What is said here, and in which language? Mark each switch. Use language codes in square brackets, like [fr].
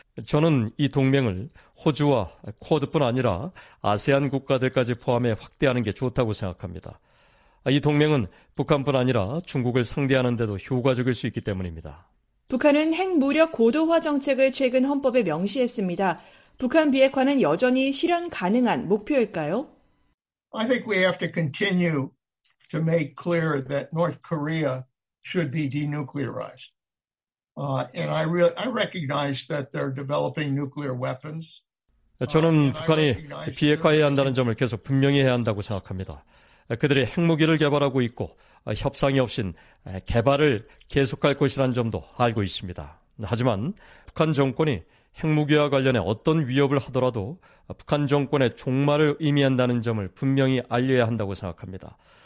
[ko] 저는 이 동맹을 호주와 쿼드뿐 아니라 아세안 국가들까지 포함해 확대하는 게 좋다고 생각합니다. 이 동맹은 북한뿐 아니라 중국을 상대하는 데도 효과적일 수 있기 때문입니다. 북한은 핵 무력 고도화 정책을 최근 헌법에 명시했습니다. 북한 비핵화는 여전히 실현 가능한 목표일까요? [en] I think we have to continue to make clear that North Korea should be denuclearized. And I recognize that they're developing nuclear weapons. [ko] 저는 북한이 비핵화해야 한다는 점을 계속 분명히 해야 한다고 생각합니다. 그들이 핵무기를 개발하고 있고 협상이 없인 개발을 계속할 것이라는 점도 알고 있습니다. 하지만 북한 정권이 핵무기와 관련해 어떤 위협을 하더라도 북한 정권의 종말을 의미한다는 점을 분명히 알려야 한다고 생각합니다.